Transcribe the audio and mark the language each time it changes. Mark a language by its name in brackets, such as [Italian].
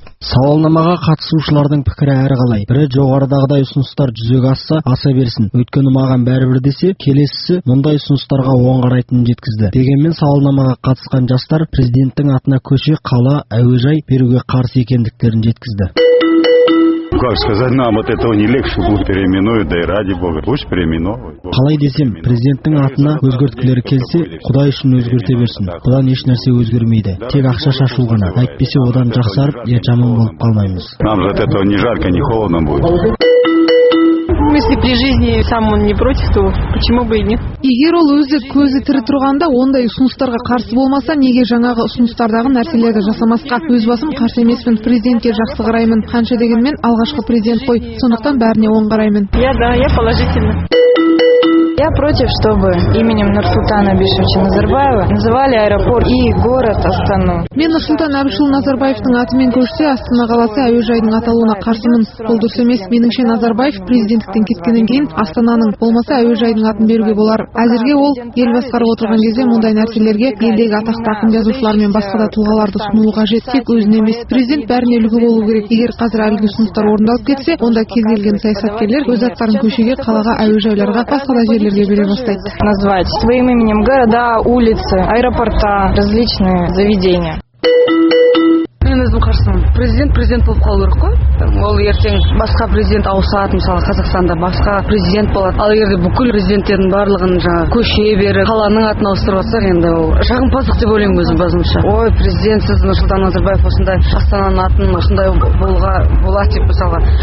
[Kazakh] Сауалнамаға қатысушылардың пікірі әр қалай. Бірі жоғарыдағыдай ұсыныстар жүзеге асса, аса берсін. Өткені маған бәрібір десе, келесісі мұндай ұсыныстарға оң қарайтынын жеткізді. Дегенмен сауалнамаға қатысқан жастар президенттің атына көше, қала, әуежай беруге қарсы екендіктерін жеткізді. [Russian] Как сказать нам от этого не легче будет переименовать, да и ради бога, пусть переименовывают. [Kazakh] Қалай десем, президенттің атына өзгерткілері келсе, Құдай үшін өзгерте берсін. Бұдан еш нәрсе өзгермейді. Тек ақша шашу ғана. Әйтпесе одан жақсарып, жаман болып қалмаймыз. [Russian] Нам же от этого не жарко, не холодно будет. Если при жизни сам он не против, то почему бы и нет? [Kazakh] Егер ол өзі көзі тірі тұрғанда, ондай ұсыныстарға қарсы болмаса, неге жаңағы ұсыныстардағы нәрселерді жасамасқа? Өз басым қарсы емеспін, президентке жақсы қараймын. Қанша дегенмен алғашқы президент қой, сондықтан бәріне оң қараймын. [Russian] Я положительно. Я против, чтобы именем Нұрсұлтана Абишевича Назарбаева называли аэропорт и город Астану. [Kazakh] Мен Нұрсұлтан Абишевич Назарбаевтың атымен көрсе, Астана қаласы әуежайдың аталуына қарсымын. Бұл дұрыс емес. Меніңше Назарбаев президенттіктен кеткеннен кейін Астананың болмаса әуежайдың атын беруге болар. Әзірге ол ел басқарып отырған кезде мұндай нәрселерге елдегі атақты ақын жазушылар мен басқа да тұлғаларды ұсынуы қажет. Тек өзіне емес, президент бәріне үлгі болу керек. Егер қазір әлгі ұсыныстар орындалып кетсе, онда кез келген саясаткерлер өз аттарын көшеге, қалаға, әуежайларға басқа да [Russian] назвать своим именем города, улицы, аэропорта, различные заведения. [Kazakh] Мен өзім қарсымын. Президент болып қалу керек қой. Ол ертең басқа президент ауысады, мысалы Қазақстанда басқа президент болады. Ал егер бүкіл президенттердің барлығын жаңа көше беріп, қаланың атын ауыстырып отырса, енді ол жағымпаздық деп ойлаймын өзім басымша. Ой, президент сіз Нұрсұлтан Назарбаев осындай Астананың атын осындай болуға болады деп мысалға.